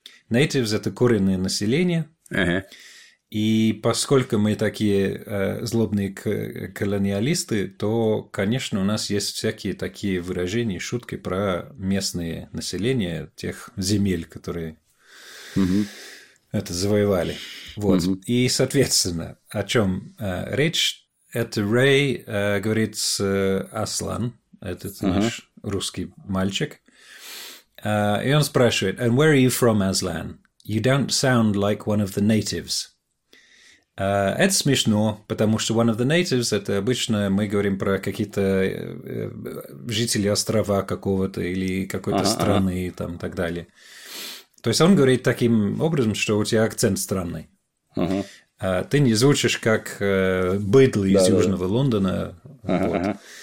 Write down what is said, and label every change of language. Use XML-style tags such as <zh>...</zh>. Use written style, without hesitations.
<ru>Natives – это коренное население. И поскольку мы такие злобные колониалисты, то, конечно, у нас есть всякие такие выражения и шутки про местные население тех земель, которые это завоевали. Вот. И, соответственно, о чем речь? Это Рэй говорит с Аслан, этот наш русский мальчик. И он спрашивает,</ru> <en>«And where are you from, Aslan? You don't sound like one of the natives».</en> <ru>Это смешно, потому что</ru> <en>one of the natives</en> <ru>– это обычно мы говорим про какие-то жители острова какого-то или какой-то страны и там, так далее. То есть он говорит таким образом, что у тебя акцент странный. Ты не звучишь как быдло из Южного Лондона. Вот.</ru>